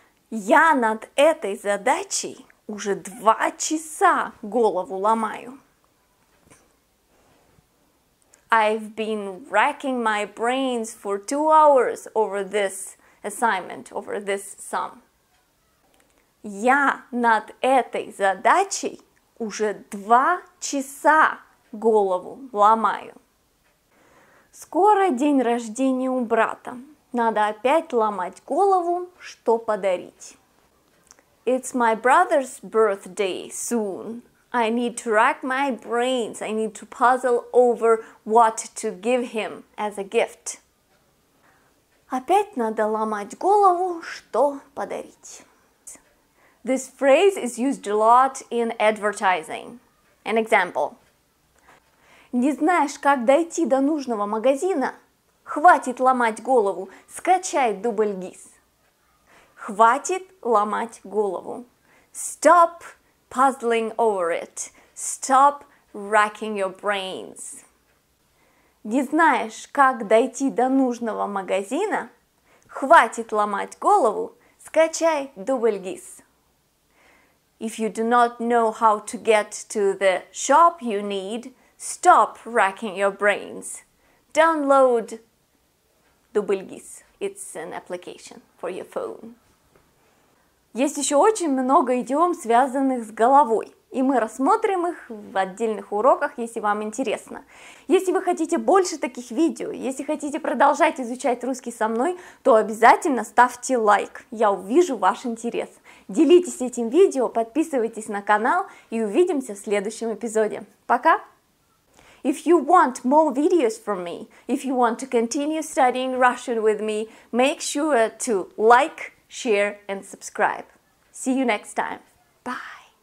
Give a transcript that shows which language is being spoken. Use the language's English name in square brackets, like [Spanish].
[Russian] Я над этой задачей уже 2 часа голову ломаю. [English] I've been racking my brains for 2 hours over this assignment, over this sum. [Russian] Я над этой задачей уже 2 часа голову ломаю. Скоро день рождения у брата. Надо опять ломать голову, что подарить. [English] It's my brother's birthday soon. I need to rack my brains. I need to puzzle over what to give him as a gift. [Russian] Опять надо ломать голову, что подарить. [English] This phrase is used a lot in advertising. An example. [Russian] Не знаешь, как дойти до нужного магазина? Хватит ломать голову, скачай дубль ГИС. Хватит ломать голову. [English] Stop puzzling over it. Stop racking your brains. [Russian] Не знаешь, как дойти до нужного магазина? Хватит ломать голову, скачай дубль ГИС. [English] If you do not know how to get to the shop you need, stop racking your brains. Download Дубльгиз. It's an application for your phone. [Russian] Есть еще очень много идиом, связанных с головой, и мы рассмотрим их в отдельных уроках, если вам интересно. Если вы хотите больше таких видео, если хотите продолжать изучать русский со мной, то обязательно ставьте лайк, я увижу ваш интерес. Делитесь этим видео, подписывайтесь на канал и увидимся в следующем эпизоде. Пока! [English] If you want more videos from me, if you want to continue studying Russian with me, make sure to like, share, and subscribe. See you next time. Bye.